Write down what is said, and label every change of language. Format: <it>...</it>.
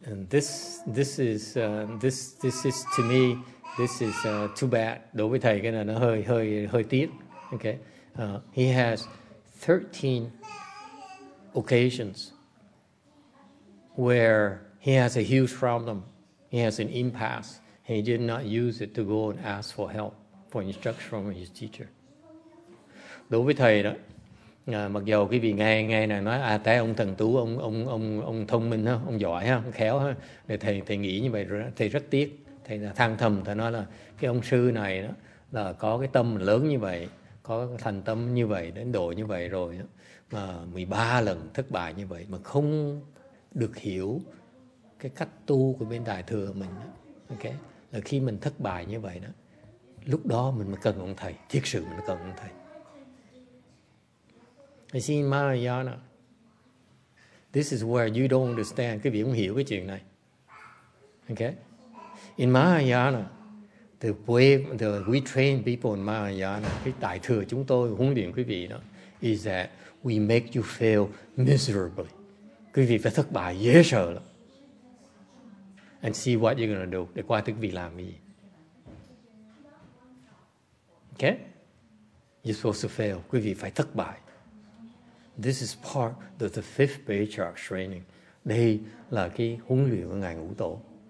<en>This is to me, this is too bad.</en> <vi>Đối với thầy cái này nó hơi tiếc.</vi> <en>Ok. He has 13 occasions where he has a huge problem, he has an impasse, and he did not use it to go and ask for help, for instruction from his teacher.</en> <vi>Đối với thầy đó, mặc dù quý vị nghe này nói, thấy ông thần tú, ông thông minh ha, ông giỏi ha, ông khéo ha, để thầy nghĩ như vậy, thầy rất tiếc, thầy than thầm, thầy nói là cái ông sư này đó là có cái tâm lớn như vậy, có thành tâm như vậy, đến độ như vậy rồi mà 13 lần thất bại như vậy mà không được hiểu cái cách tu của bên đại thừa mình. Ok, là khi mình thất bại như vậy đó, lúc đó mình mới cần ông thầy, thiệt sự mình cần ông thầy. Xin Mahayana,</vi> <en>this is where you don't understand,</en> <vi>cái việc không hiểu cái chuyện này.</vi> <en>Ok, in Mahayana, the way we train people in Mahayana,</en> <vi>cái đại thừa chúng tôi huấn luyện quý vị đó,</vi> <en>is that we make you fail miserably.</en> <vi>Quý vị phải thất bại dễ sợ lắm.</vi> <en>And see what you're going to do.</en> <vi>Để qua thức vị làm gì. Okay?</vi> <en>You're supposed to fail.</en> <vi>Quý vị phải thất bại.</vi> <en>This is part of the fifth Baichar training.</en> <vi>Đây là cái huấn luyện của ngài Ngũ Tổ.</vi>